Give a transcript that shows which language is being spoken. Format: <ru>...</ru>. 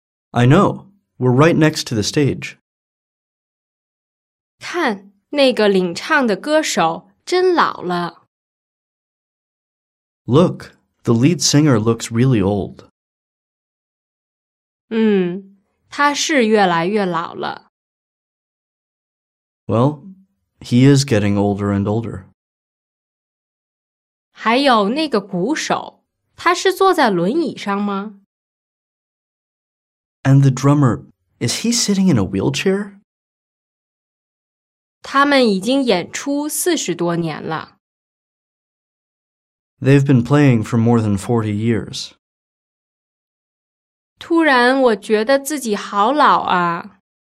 <en>I know, we're right next to the stage.</en> <zh>看，那个领唱的歌手真老了。</zh> <en>Look, the lead singer looks really old.</en> <zh>他是越来越老了。</zh> <en>Well,He is getting older and older.</en> <zh>还有那个鼓手，他是坐在轮椅上吗？</zh> <en>And the drummer, is he sitting in a wheelchair?</en> <zh>他们已经演出40多年了。</zh> <en>They've been playing for more than 40 years.</en> <zh>突然我觉得自己好老啊。</zh>